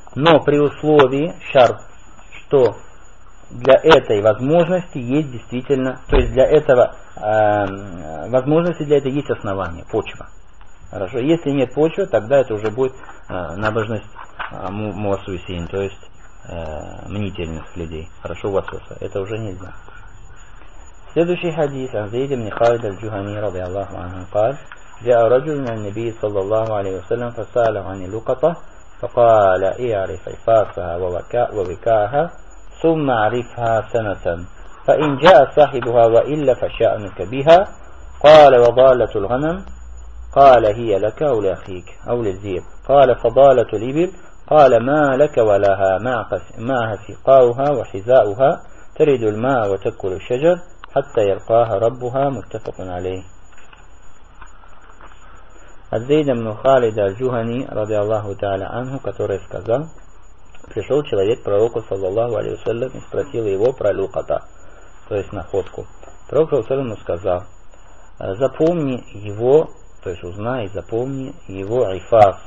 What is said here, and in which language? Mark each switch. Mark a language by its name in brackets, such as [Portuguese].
[Russian] Но при условии шарт, что для этой возможности есть действительно, то есть для этого возможности, для этого есть основание, почва. Хорошо? Если нет почвы, тогда это уже будет набожность муасусин, то есть мнительных людей. Хорошо, васуса. Это уже нельзя. Следующий хадис [Arabic] عن زيد بن خالد الجهني رضي الله عنه قال جاء رجل من النبي صلى الله عليه وسلم فسأله عن اللقطة فقال اعرف عفاصها ووكاها ثم اعرفها سنة فإن جاء صاحبها وإلا فشأنك بها قال وضالة الغنم قال هي لك أو لأخيك أو للذئب قال فضالة الإبل قال ما لك ولها معها سقاؤها وحذاؤها ترد الماء وتأكل الشجر حتى يلقاها ربها متفق عليه. [Russian] الزيد بن خالد الجهني رضي الله تعالى عنه, который сказал, пришел человек к пророку صلى الله عليه وسلم и спросил его про луката, то есть находку. Пророк صلى الله عليه وسلم сказал: запомни его, то есть узнай, запомни его айфас.